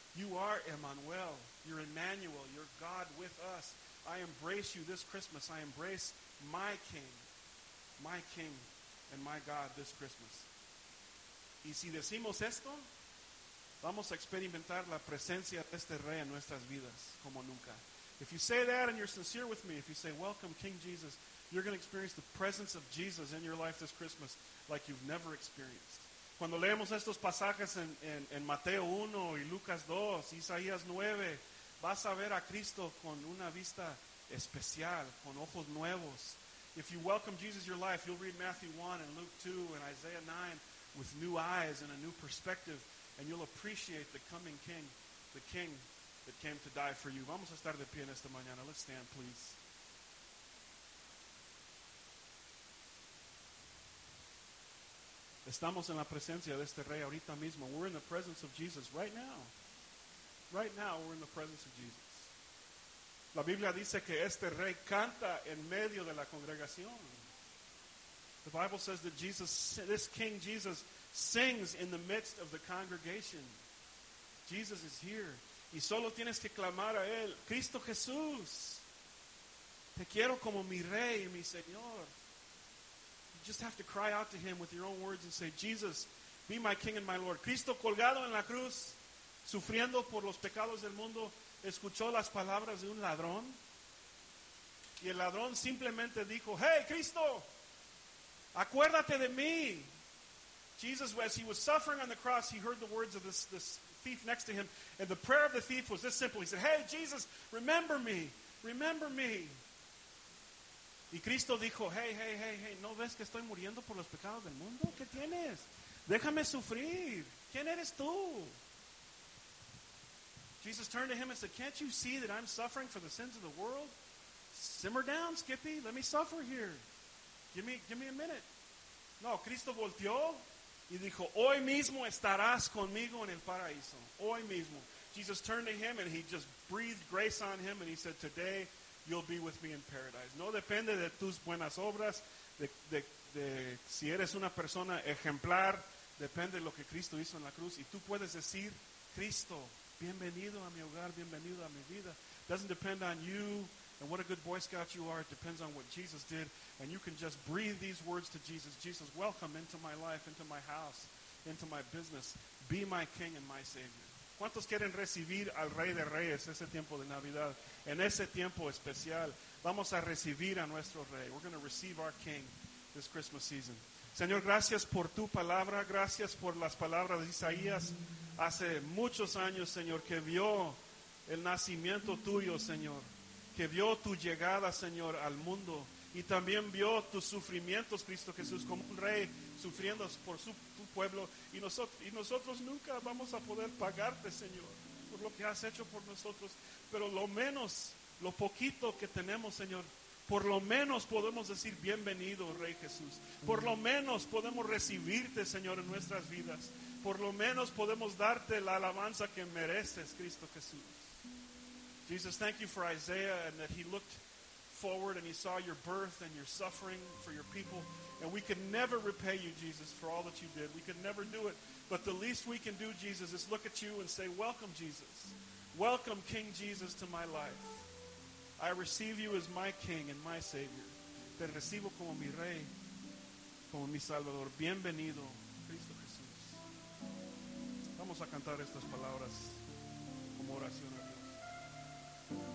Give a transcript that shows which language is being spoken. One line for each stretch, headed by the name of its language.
English: You are Emmanuel. You're Emmanuel. You're God with us. I embrace you this Christmas. I embrace my King and my God this Christmas.
Spanish: Y si decimos esto, vamos a experimentar la presencia de este Rey en nuestras vidas como nunca.
English: If you say that and you're sincere with me, if you say, welcome, King Jesus, you're going to experience the presence of Jesus in your life this Christmas like you've never experienced.
Spanish: Cuando leemos estos pasajes en Mateo 1 y Lucas 2, Isaías 9, vas a ver a Cristo con una vista especial, con ojos nuevos.
English: If you welcome Jesus in your life, you'll read Matthew 1 and Luke 2 and Isaiah 9 with new eyes and a new perspective, and you'll appreciate the coming King, the King that came to die for you.
Spanish: Vamos a estar de pie en esta mañana.
English: Let's stand, please.
Spanish: Estamos en la presencia de este Rey ahorita mismo.
English: We're in the presence of Jesus right now. Right now, we're in the presence of Jesus.
Spanish: La Biblia dice que este Rey canta en medio de la congregación.
English: The Bible says that Jesus, this King Jesus, sings in the midst of the congregation. Jesus is here.
Spanish: Y solo tienes que clamar a Él. Cristo Jesús, te quiero como mi Rey y mi Señor.
English: Just have to cry out to Him with your own words and say, Jesus, be my King and my Lord.
Spanish: Cristo colgado en la cruz, sufriendo por los pecados del mundo, escuchó las palabras de un ladrón. Y el ladrón simplemente dijo, hey, Cristo, acuérdate de mí.
English: Jesus, as He was suffering on the cross, He heard the words of this thief next to Him. And the prayer of the thief was this simple. He said, hey, Jesus, remember me. Remember me.
Spanish: Y Cristo dijo, hey, ¿no ves que estoy muriendo por los pecados del mundo? ¿Qué tienes? Déjame sufrir. ¿Quién eres tú?
English: Jesus turned to him and said, can't you see that I'm suffering for the sins of the world? Simmer down, Skippy. Let me suffer here. Give me a minute.
Spanish: No, Cristo volteó y dijo, hoy mismo estarás conmigo en el paraíso. Hoy mismo.
English: Jesus turned to him and he just breathed grace on him and he said, today, you'll be with me in paradise.
Spanish: No depende de tus buenas obras, de si eres una persona ejemplar, depende de lo que Cristo hizo en la cruz. Y tú puedes decir, Cristo, bienvenido a mi hogar, bienvenido a mi vida.
English: Doesn't depend on you and what a good Boy Scout you are. It depends on what Jesus did. And you can just breathe these words to Jesus. Jesus, welcome into my life, into my house, into my business. Be my King and my Savior.
Spanish: ¿Cuántos quieren recibir al Rey de Reyes ese tiempo de Navidad? En ese tiempo especial, Vamos a recibir a nuestro rey.
English: We're going to receive our king this Christmas season.
Spanish: Señor, gracias por tu palabra. Gracias por las palabras de Isaías. Hace muchos años, Señor, que vio el nacimiento tuyo, Señor. Que vio tu llegada, Señor, al mundo. Y también vio tus sufrimientos, Cristo Jesús, como un rey sufriendo por tu pueblo. Y nosotros nunca vamos a poder pagarte, Señor, por lo que has hecho por nosotros. Pero lo menos, lo poquito que tenemos, Señor, por lo menos podemos decir bienvenido, Rey Jesús. Por lo menos podemos recibirte, Señor, en nuestras vidas. Por lo menos podemos darte la alabanza que mereces, Cristo Jesús.
English: Jesus, thank you for Isaiah and that he looked forward and he saw your birth and your suffering for your people. And we could never repay you, Jesus, for all that you did. We could never do it. But the least we can do, Jesus, is look at you and say, welcome, Jesus. Welcome, King Jesus, to my life. I receive you as my King and my Savior.
Spanish: Te recibo como mi Rey, como mi Salvador. Bienvenido, Cristo Jesús. Vamos a cantar estas palabras como oración a Dios.